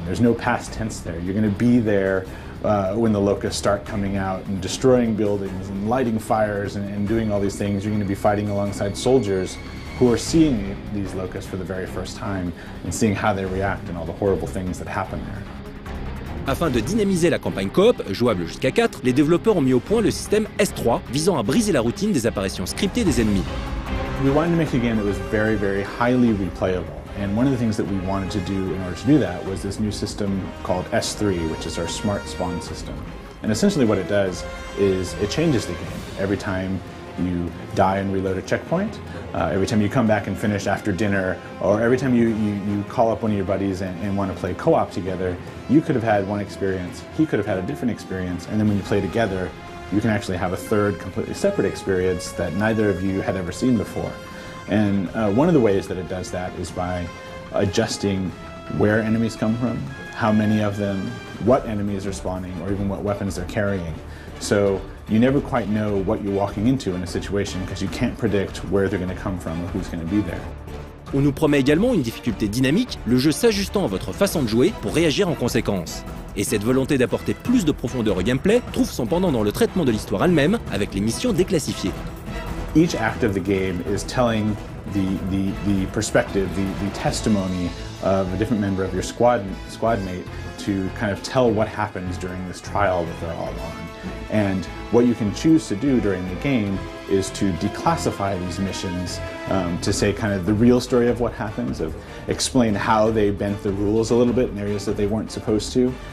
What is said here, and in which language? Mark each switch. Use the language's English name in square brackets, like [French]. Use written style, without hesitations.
[English] There's no past tense there. You're going to be there when the locusts start coming out and destroying buildings and lighting fires and doing all these things. You're going to be fighting alongside soldiers who are seeing these locusts for the very first time and seeing how they react and all the horrible things that happen there. [French] Afin de dynamiser la campagne coop, jouable jusqu'à 4, les développeurs ont mis au point le système S3 visant à briser la routine des apparitions scriptées des ennemis. [English] We wanted to make a game that was very, very highly replayable. And one of the things that we wanted to do in order to do that was this new system called S3, which is our smart spawn system. And essentially what it does is it changes the game. Every time you die and reload a checkpoint, every time you come back and finish after dinner, or every time you call up one of your buddies and want to play co-op together, you could have had one experience, he could have had a different experience, and then when you play together, you can actually have a third completely separate experience that neither of you had ever seen before. And one of the ways that it does that is by adjusting where enemies come from, how many of them, what enemies are spawning, or even what weapons they're carrying. So you never quite know what you're walking into in a situation because you can't predict where they're going to come from or who's going to be there. [French] On nous promet également une difficulté dynamique, le jeu s'ajustant à votre façon de jouer pour réagir en conséquence. Et cette volonté d'apporter plus de profondeur au gameplay trouve son pendant dans le traitement de l'histoire elle-même avec les missions déclassifiées. [English] Each act of the game is telling the perspective, the testimony of a different member of your squad mate to kind of tell what happens during this trial that they're all on. And what you can choose to do during the game is to declassify these missions to say kind of the real story of what happens, of explain how they bent the rules a little bit in areas that they weren't supposed to.